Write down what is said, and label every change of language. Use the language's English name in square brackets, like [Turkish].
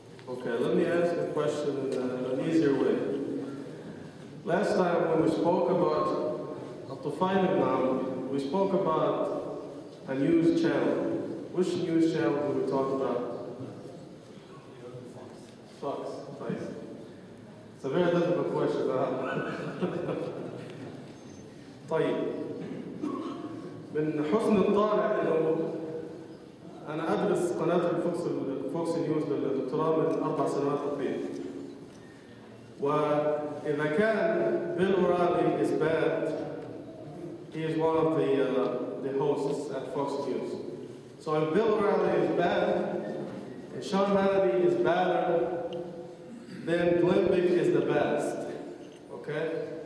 [English] Okay, let me ask the question in an easier way. Last time when we spoke about Al-Tufayl ibn Amr, we spoke about a news channel. Which news channel did we talk about? Fox. Fox. It's a very difficult question. [Arabic] طيب. من حسن الطالع أنه أنا أدرس قناة الفوكس نيوز للدكتوراه من 4 سنوات تقريبا. وإذا كان بيل أورالي [English] is bad, he is one of the hosts at Fox News. So if Bill O'Reilly is bad, and Sean Hannity is better, then Glenn Beck is the best, okay?